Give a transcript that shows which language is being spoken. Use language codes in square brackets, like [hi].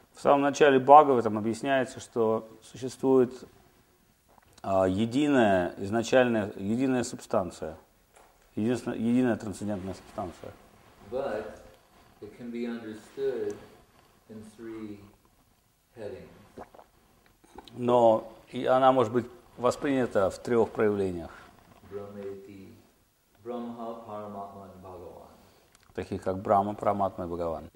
[ru] В самом начале Бхагаватам объясняется, что существует единая изначальная единая субстанция, единая трансцендентная субстанция. [en] But it can be understood in three headings. [ru] Но и она может быть воспринята в трех проявлениях. Брахмати, Брахма, Параматма. Таких как Брахма, Параматма и Бхагаван.